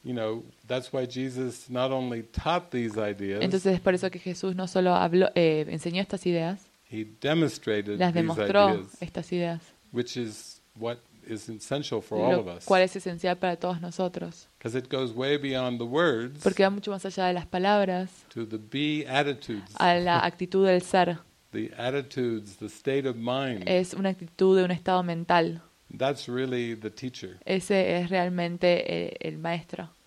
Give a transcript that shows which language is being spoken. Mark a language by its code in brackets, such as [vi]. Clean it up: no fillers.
[en] You know, that's why Jesus not only taught these ideas, [es] entonces es por eso que Jesús no solo habló, enseñó estas ideas. [en] He demonstrated [es] las demostró estas ideas, [en] which is what is essential for all of us. [es] Cuál es esencial para todos nosotros. [en] Because it goes way beyond the words. [es] Porque va mucho más allá de las palabras. [en] To the be attitudes. [es] A la actitud del ser. [en] The attitudes, the state of mind. [es] Es una actitud de un estado mental. [en] That's really the teacher. [es] Ese es realmente el maestro.